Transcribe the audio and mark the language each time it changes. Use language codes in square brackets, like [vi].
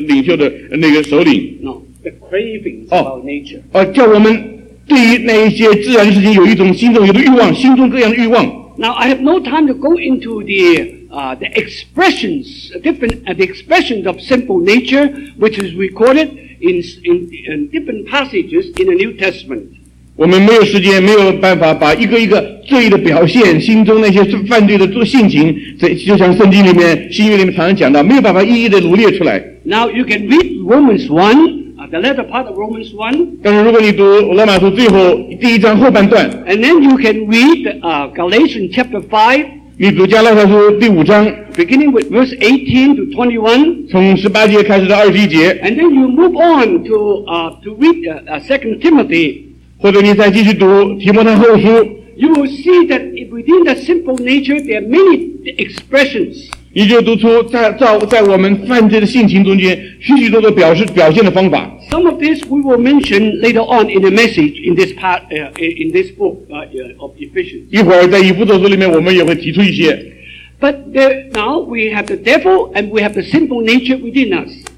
[zh] 第二章里面，保罗告诉我们，我们才能随从今世的风俗，顺服空中掌权者领袖的那个首领。 [en] No, the cravings of our nature. [zh] 叫我们对于那一些自然事情有一种心中有的欲望，心中各样的欲望。 [en] Now, I have no time to go into the expressions of simple nature, which is recorded in different passages in the New Testament. [zh] 我们没有时间，没有办法把一个一个罪的表现，心中那些犯罪的性情，就像圣经里面、新约里面常常讲的，没有办法一一的罗列出来。 [en] Now you can read Romans 1, the latter part of Romans 1. [zh] 但是如果你读罗马书最后第一章后半段， [en] and then you can read Galatians chapter 5. [zh] 你读加拉太书第五章， [en] beginning with verse 18 to 21, [zh] 从18节开始到21节， [en] and then you move on to read 2 Timothy, [zh] 或者你再继续读提摩太后书， [en] you will see that within the simple nature there are many expressions. [zh] 你就读出在我们犯罪的性情中间许许多多表现的方法。 [en] Some of this we will mention later on in the message in this part in this book of Ephesians. [zh] 一会儿在以弗所书里面我们也会提出一些。 [en] But there, now we have the devil and we have the sinful nature within us.